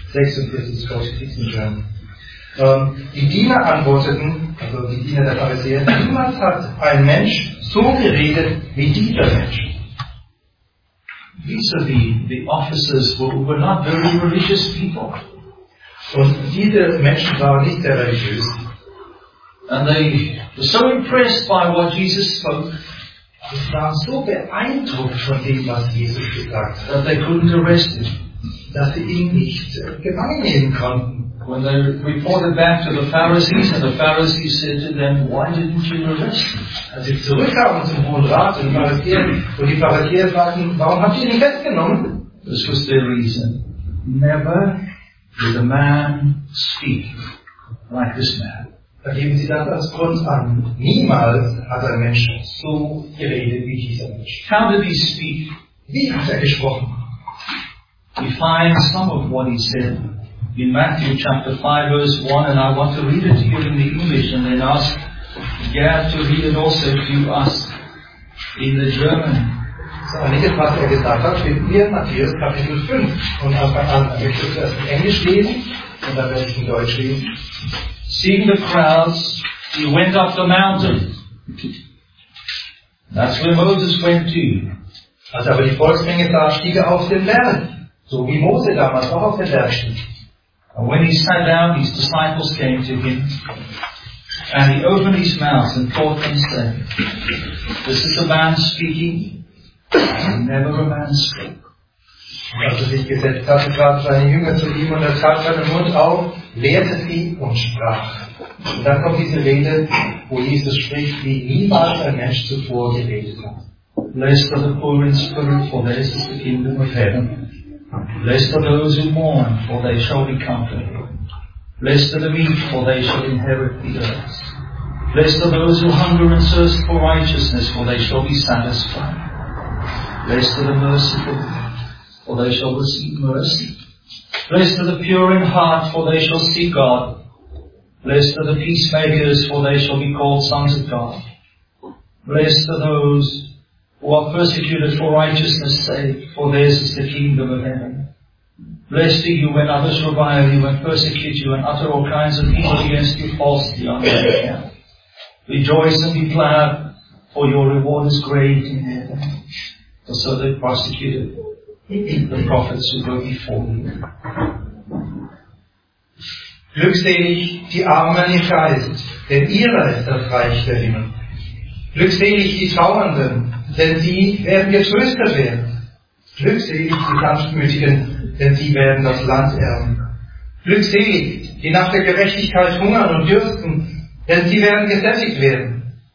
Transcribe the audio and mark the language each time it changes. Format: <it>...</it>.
<de>56 ist in die Diener antworteten, also die Diener der Pharisäer, niemals hat ein Mensch so geredet wie dieser Mensch.</de> <en>These are the officers who were not very religious people.</en> <de>Und diese Menschen waren nicht sehr religiös.</de> <en>And they were so impressed by what Jesus spoke.</en> <de>Sie waren so beeindruckt von dem, was Jesus gesagt hat,</de> <en>that they couldn't arrest him.</en> <de>Dass sie ihn nicht gefangen nehmen konnten.</de> <en>When they reported back to the Pharisees, and the Pharisees said to them, why didn't you arrest him?</en> <de>Als sie zurückkamen zum Hohen Rat und die Pharisäer fragten, warum habt ihr ihn festgenommen?</de> <en>This was their reason. Never with a man speak like this man.</en> <de>Da geben Sie das als Grund an. Niemals hat ein Mensch so geredet wie dieser Mensch.</de> <en>How did he speak?</en> <de>Wie hat er gesprochen?</de> <en>We find some of what he said in Matthew chapter 5, verse 1, and I want to read it to you in the English and then ask Gerd to read it also to us in the German.</en> <de>So, einiges, was er gesagt hat, finden wir in Matthäus Kapitel 5. Und auf der anderen Seite möchte ich das in Englisch lesen und dann werde ich in Deutsch lesen.</de> <en>Seeing the crowds, he went up the mountain. That's where Moses went to.</en> <de>Als aber die Volksmenge sah, stieg er auf den Berg. So wie Mose damals auch auf den Berg stieg.</de> <en>And when he sat down, his disciples came to him. And he opened his mouth and taught them, saying, this is a man speaking, and never a man spoke.</en> <de>Als er sich gesetzt hatte, trat seine Jünger zu ihm und er tat seinen Mund auf, lehrte sie und sprach. Und dann kommt diese Rede, wo Jesus spricht, wie niemals ein Mensch zuvor geredet hat.</de> <en>Blessed are the poor in spirit, for theirs is the kingdom of heaven. Blessed are those who mourn, for they shall be comforted. Blessed are the meek, for they shall inherit the earth. Blessed are those who hunger and thirst for righteousness, for they shall be satisfied. Blessed are the merciful, for they shall receive mercy. Blessed are the pure in heart, for they shall see God. Blessed are the peacemakers, for they shall be called sons of God. Blessed are those who are persecuted for righteousness' sake, for theirs is the kingdom of heaven. Blessed are you when others revile you and persecute you and utter all kinds of evil against you falsely on your account. Rejoice and be glad, for your reward is great in heaven. For so they persecuted the prophets who go before you.</en> <de>Glückselig die Armen im Geist, denn ihrer ist das Reich der Himmel. Glückselig die Trauernden, denn sie werden getröstet werden. Glückselig die Sanftmütigen, denn sie werden das Land erben. Glückselig die nach der Gerechtigkeit hungern und dürsten, denn sie werden gesättigt werden.</de>